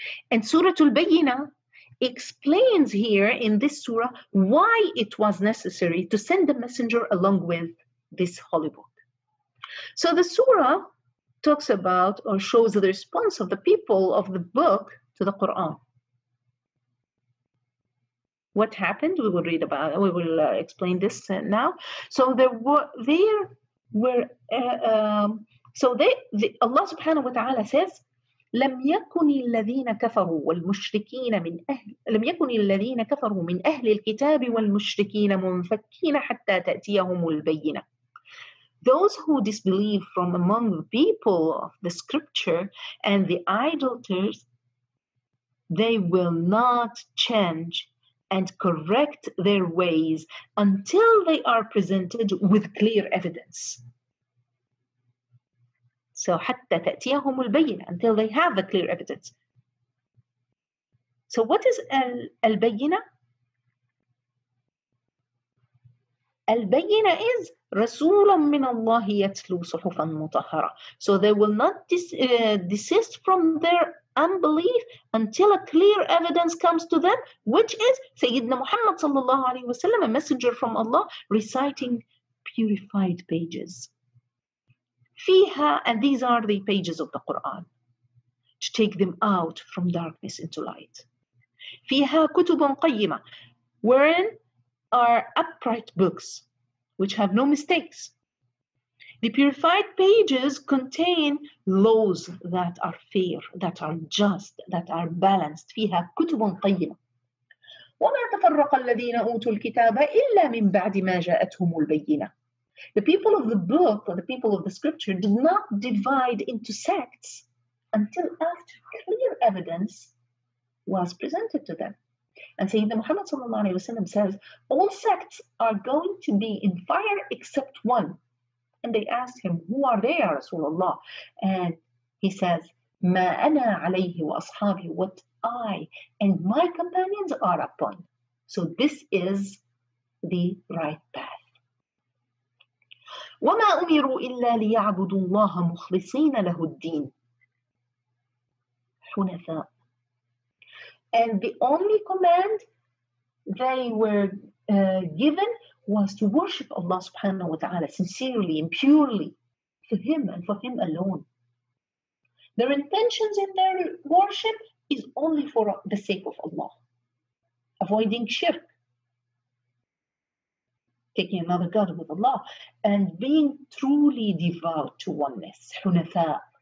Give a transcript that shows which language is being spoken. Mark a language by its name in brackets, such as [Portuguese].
[English] And Surah Al-Bayyinahh explains here in this surah why it was necessary to send a messenger along with this holy book. So the surah talks about or shows the response of the people of the book to the Quran. What happened? We will read about it. We will explain this now. So Allah subhanahu wa ta'ala says, [Arabic] لم يكن الذين كفروا والمشركين من أهل لم يكن الذين كفروا من أهل الكتاب والمشركين منفكين حتى تأتيهم البينة. [English] Those who disbelieve from among the people of the scripture and the idolaters, they will not change and correct their ways until they are presented with clear evidence. So [Arabic] حتى تأتيهم البينة, [English] until they have the clear evidence. So what is البينة? [Arabic] البينة is رسول من الله يتلو صحفا مطهرة. [English] So they will not desist from their unbelief until a clear evidence comes to them, which is [Arabic] سيدنا محمد صلى الله عليه وسلم, [English] a messenger from Allah, reciting purified pages. فيها, and these are the pages of the Quran, to take them out from darkness into light. [Arabic] فيها كتب قيمة, [English] wherein are upright books, which have no mistakes. The purified pages contain laws that are fair, that are just, that are balanced. [Arabic] فيها كتب قيمة. وما تفرق الذين أوتوا الكتاب إلا من بعد ما جاءتهم البينة. [English] The people of the book, or the people of the scripture, did not divide into sects until after clear evidence was presented to them. And Sayyidina Muhammad sallallahu alayhi wa sallam says, all sects are going to be in fire except one. And they asked him, who are they, Ya Rasulullah? And he says, [Arabic] ما أنا عليه وأصحابي, [English] what I and my companions are upon. So this is the right path. [Arabic] وما أمروا إلا ليعبدوا الله مخلصين له الدين حنفاء. [English] And the only command they were given was to worship Allah subhanahu wa ta'ala sincerely and purely for Him and for Him alone. Their intentions in their worship is only for the sake of Allah, avoiding shirk, taking another God with Allah, and being truly devout to oneness, hunafa.